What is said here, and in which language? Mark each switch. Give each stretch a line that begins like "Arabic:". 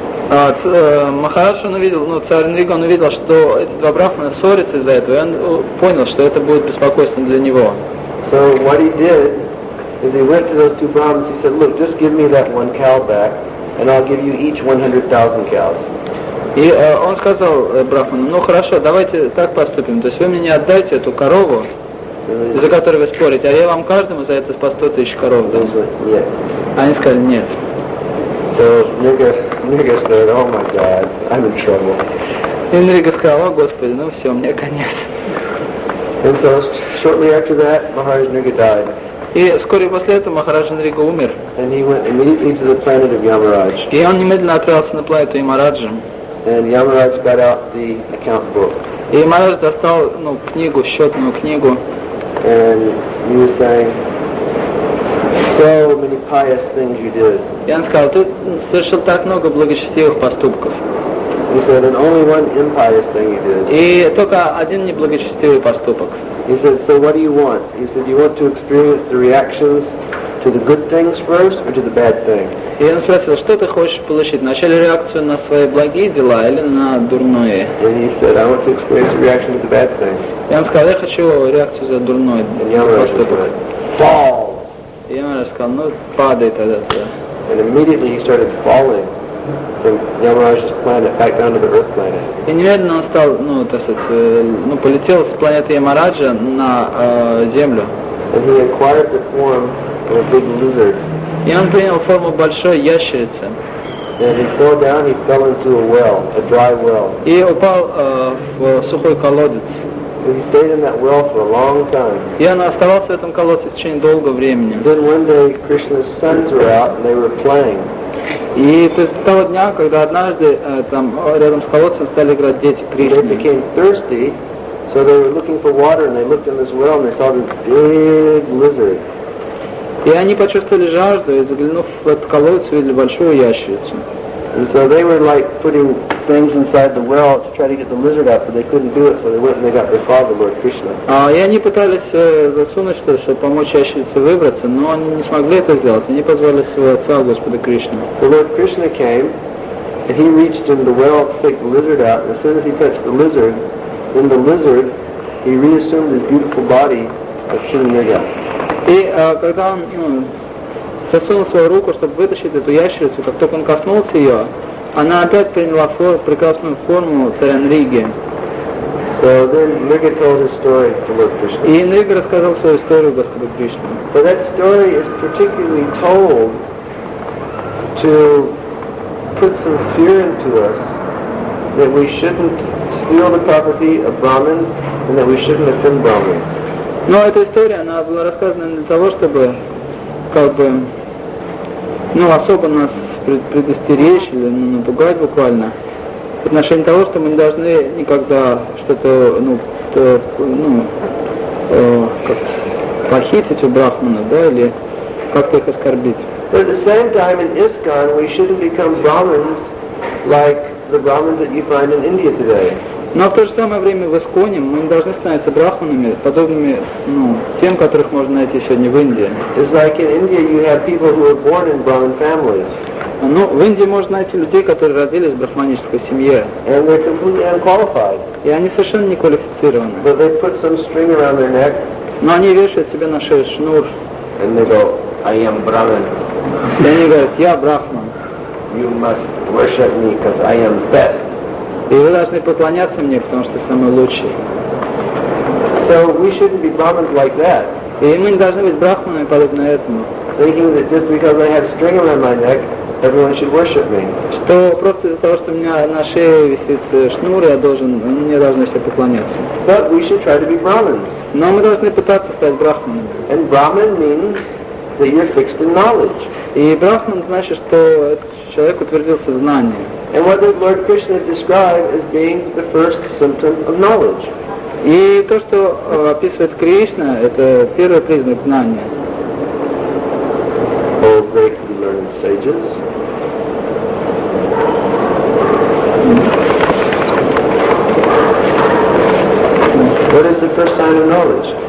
Russian: Махараджа увидел, царь Нрига, он увидел, что эти два брахмана ссорятся из-за этого, и он понял, что это будет беспокойством для него.
English: So what he did is he went to those two Brahmins, he said, look, just give me that one cow back, and I'll give you each 100,000 cows.
Russian: И он сказал брахману, хорошо, давайте так поступим, то есть вы мне не отдайте эту корову, за которую вы спорите, а я вам каждому за это по 100 тысяч коров дам. Нет. Они сказали, нет.
English: So, Nriga said, oh my God, I'm in trouble.
Russian: И Нрига сказал, о Господи, все, мне конец.
English: And so, shortly after that, Maharaj Nriga died.
Russian: И вскоре после этого Махараджа Нрига умер.
English: And he went immediately to the planet of Yamaraj.
Russian: И он немедленно отправился на планету Ямараджа.
English: And Yamaraj got out the account book.
Russian: И Yamaraj достал, книгу, счетную книгу.
English: And he was saying, so many pious things you did.
Russian: И он сказал, ты совершил так много благочестивых поступков.
English: He said, and only one impious thing you did.
Russian: И только один неблагочестивый поступок.
English: He said, so what do you want? He said, you want to experience the reactions to the good things first or to the bad things?
Russian: И он спросил, что ты хочешь получить? Вначале реакцию на свои благие дела или на дурное?
English: And he said, I want to experience the reaction to the bad things.
Russian: И он сказал, я хочу реакцию за дурное.
English: And Yamaraj said, fall!
Russian: И Yamaraj сказал, падай тогда.
English: And immediately he started falling from Yamaraj's planet back down to the Earth planet.
Russian: И немедленно он стал, полетел с планеты Ямараджа на Землю.
English: And he acquired the form of a big lizard.
Russian: И он принял форму большой ящерицы.
English: And he fell down, he fell into a well, a dry well.
Russian: И упал в сухой колодец.
English: And he stayed in that well for a long time.
Russian: И он оставался в этом колодце в течение долгого времени.
English: Then one day Krishna's sons were out and they were playing.
Russian: И то есть того дня, когда однажды там рядом с колодцем стали играть дети Кришны.
English: They became thirsty, so they were looking for water, and they looked in this well and they saw this big lizard.
Russian: И они почувствовали жажду и, заглянув в этот колодец, увидели большую ящерицу.
English: And so they were like putting things inside the well to try to get the lizard out, but they couldn't do it, so they went and they got their father, Lord Krishna.
Russian: И они пытались засунуть что-то, чтобы помочь ящерице выбраться, но они не смогли это сделать, они позвали своего отца, Господа Кришну.
English: So Lord Krishna came, and he reached in the well to take the lizard out, and as soon as he touched the lizard, then the lizard, he reassumed his beautiful body of Chinnamigha.
Russian: И когда он засунул свою руку, чтобы вытащить эту ящерицу, как только он коснулся ее, она опять приняла прекрасную форму царя Нриги.
English: So then Nriga told his story to Lord Krishna.
Russian: И Нрига рассказал свою историю Господу Кришне.
English: But that story is particularly told to put some fear into us that we shouldn't steal the property of Brahmins and that we shouldn't offend Brahmins.
Russian: Но эта история, она была рассказана для того, чтобы, как бы, ну, особо нас предостеречь или напугать буквально в отношении того, что мы не должны никогда что-то, как-то похитить у брахмана, да, или как-то их оскорбить.
English: But at the same time in ISKCON we shouldn't become Brahmins like the Brahmins that you find in India today.
Russian: Но в то же самое время в ИСККОНе мы не должны становиться брахманами, подобными тем, которых можно найти сегодня в Индии.
English: It's like in India you have people who are born in Brahmin families.
Russian: Ну, в Индии можно найти людей, которые родились в брахманической семье.
English: And they're completely unqualified.
Russian: И они совершенно не квалифицированы.
English: But they put some string around their neck.
Russian: Но они вешают себе на шею шнур.
English: And they go, I am Brahmin.
Russian: И они говорят, я брахман.
English: You must worship me, because I am best.
Russian: И вы должны поклоняться мне, потому что самый лучший.
English: So we shouldn't be brahmins like that.
Russian: И мы не должны быть брахманами подобно этому.
English: Thinking that just because I have string around my neck, everyone should worship me.
Russian: Что просто из-за того, что у меня на шее висит шнур, мне должны все поклоняться.
English: But we should try to be brahmins.
Russian: Но мы должны пытаться стать брахманами.
English: And brahmin means that you're fixed in knowledge.
Russian: И брахман значит, что человек утвердился в знании.
English: And what did Lord Krishna describe as being the first symptom of knowledge?
Russian: И то, что описывает Кришна, это первый признак знания.
English: All great learned sages. What is the first sign of knowledge?